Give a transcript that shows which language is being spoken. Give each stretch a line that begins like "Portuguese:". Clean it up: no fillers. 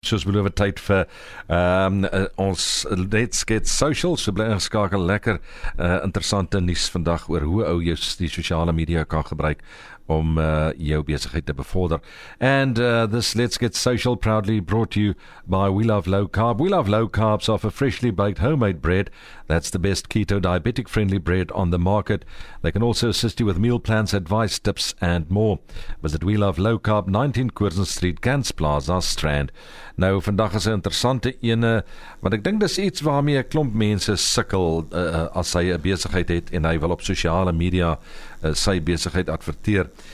Afrikaans: soos beloof het tyd vir ons sGetSocial. So bly ingeskakel, lekker interessante nuus vandag oor hoe ou jy die sosiale media kan gebruik om jou besigheid te bevorder.
English: And this sGetSocial proudly brought to you by We Love Low Carb. We Love Low Carbs offer freshly baked homemade bread. That's the best keto diabetic friendly bread on the market. They can also assist you with meal plans, advice, tips and more. Visit We Love Low Carb, 19 Curzon Street, Gans Plaza, Strand.
Afrikaans: Nou, vandag is 'n interessante ene, want ek dink dis iets waarmee 'n klomp mense sukkel as hy 'n besigheid het en hy wil op sosiale media sy besigheid adverteer.